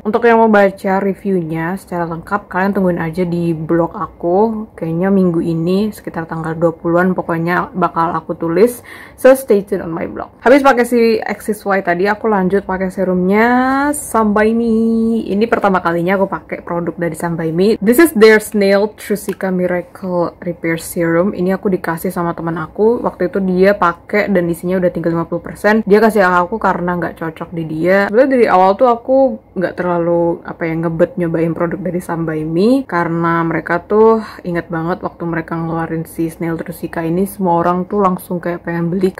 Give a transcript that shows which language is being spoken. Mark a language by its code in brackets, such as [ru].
[id] Untuk yang mau baca reviewnya secara lengkap, kalian tungguin aja di blog aku. Kayaknya minggu ini, sekitar tanggal 20-an, pokoknya bakal aku tulis. [en] So stay tune on my blog. [id] Habis pakai si Axis Y tadi, aku lanjut pakai serumnya Sambai Mi. Ini pertama kalinya aku pakai produk dari Sambai Mi. [en] This is their Snail Trusica Miracle Repair Serum. [id] Ini aku dikasih sama teman aku. Waktu itu dia pakai dan isinya udah tinggal 50%. Dia kasih aku karena nggak cocok di dia. Sebenernya dari awal tuh aku nggak terlalu apa yang ngebet nyobain produk dari Sambai Mi, karena mereka tuh inget banget waktu mereka ngeluarin si Snail Trusica ini, semua orang tuh langsung kayak pengen beli.